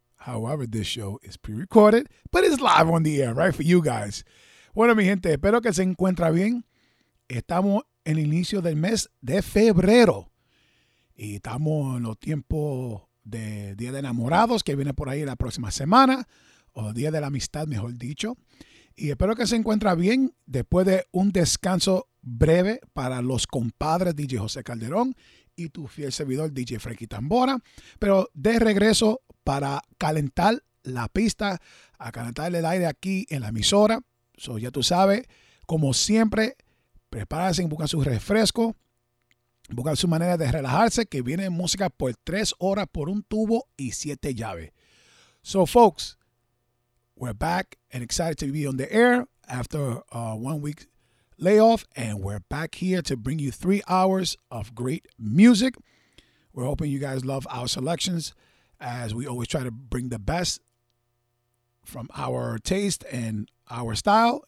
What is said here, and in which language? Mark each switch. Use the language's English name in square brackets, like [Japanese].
[English] However, this show is pre-recorded, but it's live on the air, right, for you guys. [Spanish] Bueno, mi gente, espero que se encuentre bien. Estamos en el inicio del mes de febrero. Y estamos en los tiempos de Día de Enamorados, que viene por ahí la próxima semana, o Día de la Amistad, mejor dicho. Y espero que se encuentre bien después de un descanso breve para los compadres DJ José Calderón y tu fiel servidor DJ Frankie Tambora. Pero de regreso para calentar la pista, a calentar el aire aquí en la emisora. So, ya tú sabes, como siempre, prepárense y busquen su refresco. Buscar su manera de relajarse, que viene música por 3 horas por un tubo y 7 llaves. [English] So, folks, we're back and excited to be on the air after a 1 week layoff. And we're back here to bring you 3 hours of great music. We're hoping you guys love our selections as we always try to bring the best from our taste and our style.